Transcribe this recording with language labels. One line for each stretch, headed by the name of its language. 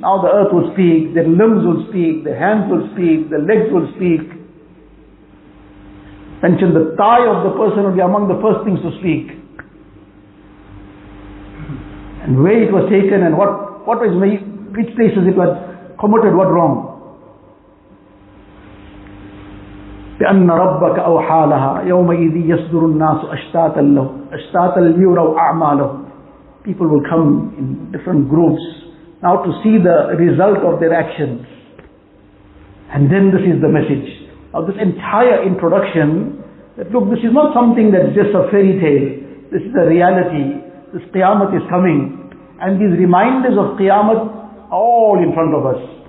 English: Now the earth will speak, their limbs will speak, their hands will speak, their legs will speak. Mention the thigh of the person will be among the first things to speak. And where it was taken and which places it was committed, what wrong.
Arabic: بأن ربك أوحى لها يومئذ يصدر الناس أشتاتا ليروا أعمالهم.
English: People will come in different groups now to see the result of their actions. And then this is the message of this entire introduction, that look, this is not something that's just a fairy tale. This is a reality. This Qiyamah is coming. And these reminders of Qiyamah are all in front of us.